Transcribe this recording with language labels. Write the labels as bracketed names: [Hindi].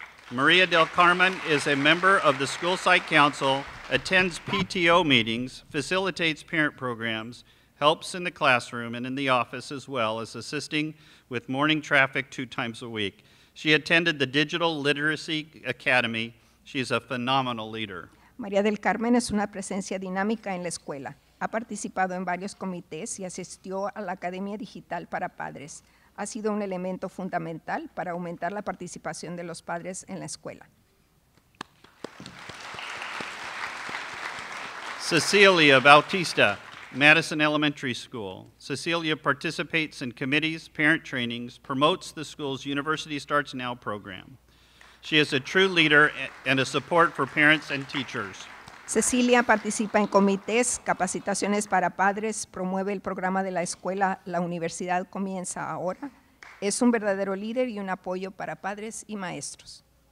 [English] Maria del Carmen is a member of the school site council, attends PTO meetings, facilitates parent programs, helps in the classroom and in the office as well as assisting with morning traffic 2 times a week. She attended the Digital Literacy Academy. She's a phenomenal leader. [Spanish] Maria del Carmen es una presencia dinámica en la escuela. Ha participado en varios comités y asistió a la Academia Digital para Padres. Ha sido un elemento fundamental para aumentar la participación de los padres en la escuela. [English] Cecilia Bautista, Madison Elementary School. Cecilia participates in committees, parent trainings, promotes the school's University Starts Now program. She is a true leader and a support for parents and teachers. [Spanish] Cecilia participa en comités, capacitaciones para padres, promueve el programa de la escuela La Universidad Comienza Ahora. Es un verdadero líder y un apoyo para padres y maestros.